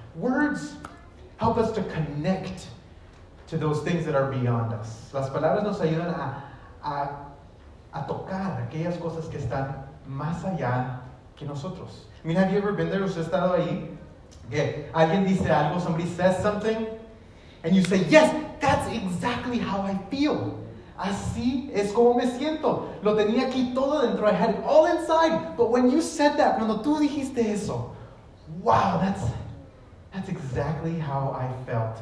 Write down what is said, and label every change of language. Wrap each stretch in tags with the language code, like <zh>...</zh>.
<en>Words help us to connect to those things that are beyond us.</en> <es>Las palabras nos ayudan a tocar aquellas cosas que están más allá que nosotros.</es> <en>I mean, have you ever been there?</en> <es>¿Usted ha estado ahí? Que alguien dice algo,</es> <en>somebody says something, and you say, yes, that's exactly how I feel.</en> <es>Así es como me siento. Lo tenía aquí todo dentro.</es> <en>I had it all inside. But when you said that,</en> <es>cuando tú dijiste eso,</es> <en>wow, that's exactly how I felt.</en>